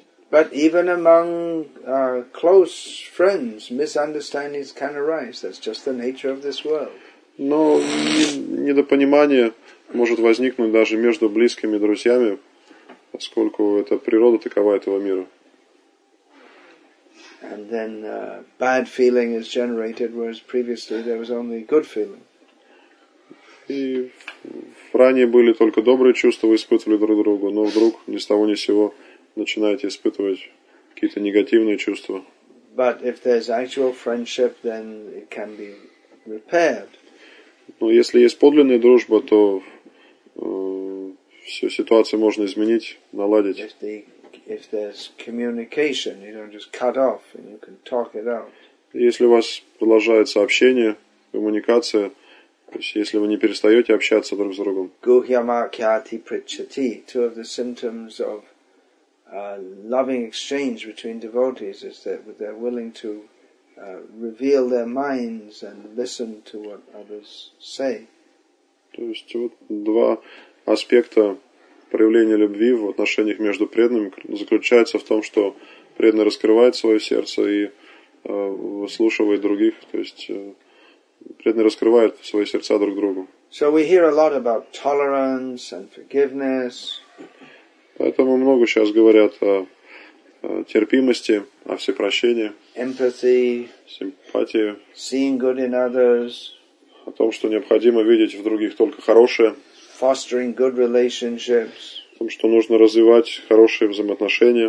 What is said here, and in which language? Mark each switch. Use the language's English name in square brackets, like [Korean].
[English] But even among close friends, misunderstandings can arise. That's just the nature of this world. [Russian] Но недопонимание может возникнуть даже между близкими друзьями, поскольку это природа такова этого мира. [English] And then bad feeling is generated, whereas previously there was only good feeling. [Russian] И ранее были только добрые чувства, вы испытывали друг другу, но вдруг ни с того ни с сего начинаете испытывать какие-то негативные чувства. [English] But if there's actual friendship, then it can be repaired. [Russian] Но если есть подлинная дружба, то всю ситуацию можно изменить, наладить. [English] If there's communication, you don't just cut off and you can talk it out. [Russian] Если у вас продолжается общение, коммуникация, то есть, если вы не перестаете общаться друг с другом. [Sanskrit] Гухьямакьяти причати. [English] Two of the symptoms of loving exchange between devotees is that they're willing to reveal their minds and listen to what others say. [Russian] То есть, вот два аспекта проявления любви в отношениях между преданными заключаются в том, что преданный раскрывает свое сердце и выслушивает других, то есть... преданные раскрывают свои сердца друг другу. [English] So we hear a lot about tolerance and forgiveness. [Russian] Поэтому много сейчас говорят о терпимости, о всепрощении. [English] Empathy. [Russian] Симпатии. [English] Seeing good in others. [Russian] О том, что необходимо видеть в других только хорошее. [English] Fostering good relationships. [Russian] О том, что нужно развивать хорошие взаимоотношения.